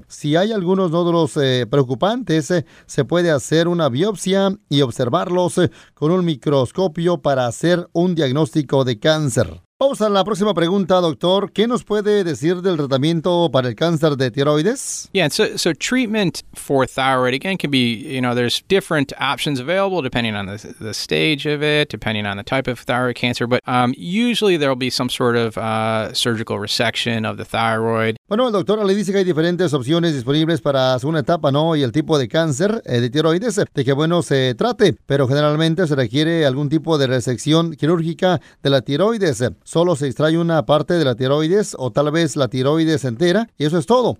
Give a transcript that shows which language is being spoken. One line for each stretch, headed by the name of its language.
Spanish: Si hay algunos nódulos preocupantes, se puede hacer una biopsia y observarlos con un microscopio para hacer un diagnóstico de cáncer. Vamos a la próxima pregunta, doctor. ¿Qué nos puede decir del tratamiento para el cáncer de tiroides?
English: Yeah, so treatment for thyroid, again, can be, you know, there's different options available depending on the stage of it, depending on the type of thyroid cancer, but usually there'll be some sort of surgical resection of the thyroid.
Spanish: Bueno, el doctor le dice que hay diferentes opciones disponibles para una etapa, ¿no? Y el tipo de cáncer de tiroides, de que bueno se trate, pero generalmente se requiere algún tipo de resección quirúrgica de la tiroides. Solo se extrae una parte de la tiroides o tal vez la tiroides entera y eso es todo.